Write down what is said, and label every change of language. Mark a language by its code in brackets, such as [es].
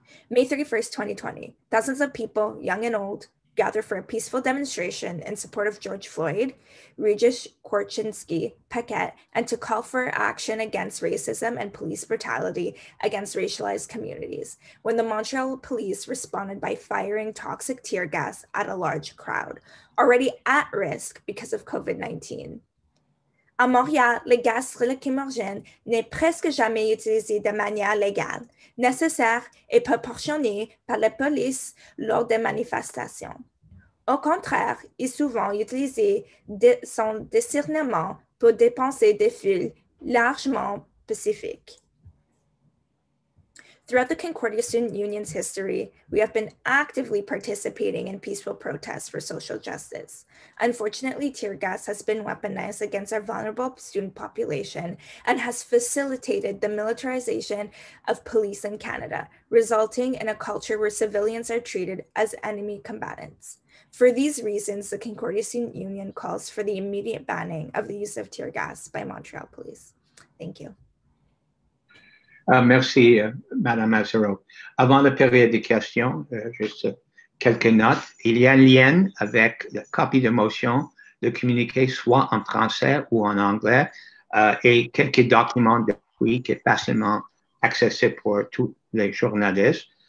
[en] May 31st, 2020, thousands of people, young and old, gather for a peaceful demonstration in support of George Floyd, Regis Korchinski, Paquette, and to call for action against racism and police brutality against racialized communities when the Montreal police responded by firing toxic tear gas at a large crowd, already at risk because of COVID-19. [fr] À Montréal, le gaz lacrymogène n'est presque jamais utilisé de manière légale, nécessaire et proportionné par la police lors des manifestations. Au contraire, il est souvent utilisé sans discernement pour dépenser des fils largement spécifiques. [en] Throughout the Concordia Student Union's history, we have been actively participating in peaceful protests for social justice. Unfortunately, tear gas has been weaponized against our vulnerable student population and has facilitated the militarization of police in Canada, resulting in a culture where civilians are treated as enemy combatants. For these reasons, the Concordia Student Union calls for the immediate banning of the use of tear gas by Montreal police. Thank you. [fr] Merci, Madame Mazzaro. Avant la période des questions, juste quelques notes. Il y a un lien avec la copie de motion, le communiqué soit en français ou en anglais, et quelques documents d'appui qui sont facilement accessibles pour tous les journalistes.